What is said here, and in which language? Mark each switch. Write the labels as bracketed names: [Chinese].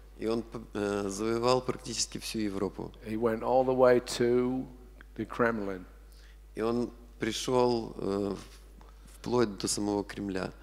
[Russian] И он завоевал практически всю Европу. [English] He went all the way to the Kremlin. [Russian] И он пришел вплоть до самого Кремля.